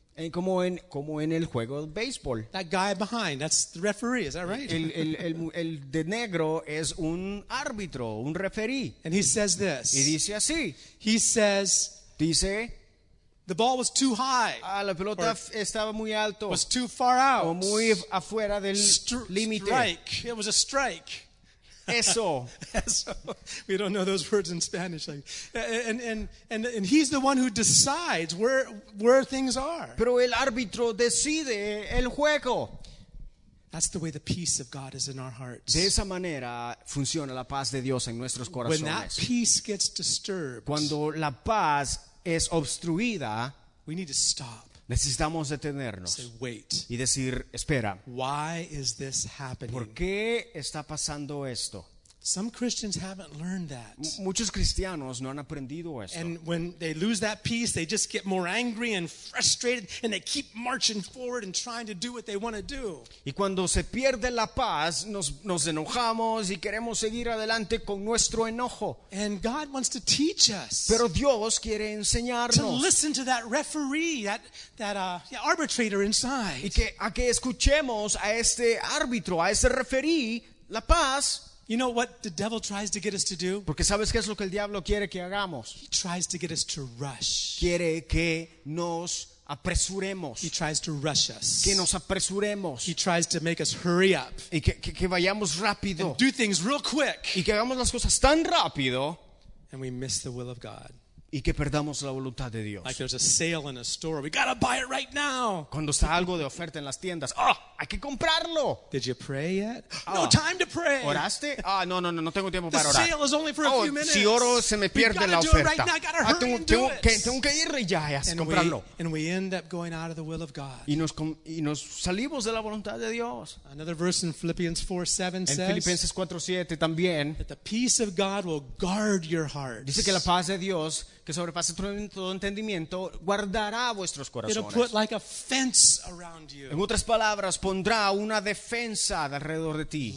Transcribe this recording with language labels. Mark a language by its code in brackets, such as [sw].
[es] Como en el juego de béisbol. [en] That guy behind, that's the referee, is that right? [es] El de negro es un árbitro, un referee. [en] And he says this. [es] Y dice así. [en] He says, [es] dice, [en] The ball was too high. [es] La pelota estaba muy alto. [en] Was too far out. [es] O muy afuera del límite. [en] Strike. It was a strike. [es] Eso. Eso. [en] We don't know those words in Spanish. And he's the one who decides where things are. [es] Pero el árbitro decide el juego. [en] That's the way the peace of God is in our hearts. [es] De esa manera funciona la paz de Dios en nuestros corazones. [en] When that peace gets disturbed, [es] cuando la paz es obstruida, [en] we need to stop. [es] Necesitamos detenernos. [en] Say, wait. [es] Y decir, espera. [en] Why is this happening? [es] ¿Por qué está pasando esto? [en] Some Christians haven't learned that. [es] Muchos cristianos no han aprendido esto. [en] And when they lose that peace, they just get more angry and frustrated, and they keep marching forward and trying to do what they want to do. [es] Y cuando se pierde la paz, nos enojamos y queremos seguir adelante con nuestro enojo. [en] And God wants to teach us. [es] Pero Dios quiere enseñarnos. [en] To listen to that referee, that arbitrator inside. [es] Y que escuchemos a este árbitro, a ese referí, la paz. [en] You know what the devil tries to get us to do? [es] Porque sabes qué es lo que el diablo quiere que hagamos. [en] He tries to get us to rush. [es] Quiere que nos apresuremos. [en] He tries to rush us. [es] Que nos apresuremos. [en] He tries to make us hurry up. [es] Y que vayamos rápido. [en] And do things real quick. [es] Y que hagamos las cosas tan rápido. [en] And we miss the will of God. [es] Y que perdamos la voluntad de Dios. [en] Like there's a sale in a store. We gotta buy it right now. [es] Cuando está algo de oferta en las tiendas. ¡Oh! ¡Hay que comprarlo! [en] Did you pray yet? No time to pray. [es] ¿Oraste? Ah, no tengo tiempo para orar. [en] The sale is only for a few minutes. [es] Si oro, se me pierde la oferta. [en] We gotta do it right now. I gotta hurry and do it. [es] Tengo que ir ya y comprarlo. [en] And we end up going out of the will of God. [es] Y nos salimos de la voluntad de Dios. [en] Another verse in Philippians 4:7 says. [es] En Filipenses 4:7 también. [en] That the peace of God will guard your heart. [es] Dice que la paz de Dios, que sobrepase todo entendimiento, guardará vuestros corazones. [en] It'll put like a fence around you. [es] En otras palabras, pondrá una defensa alrededor de ti.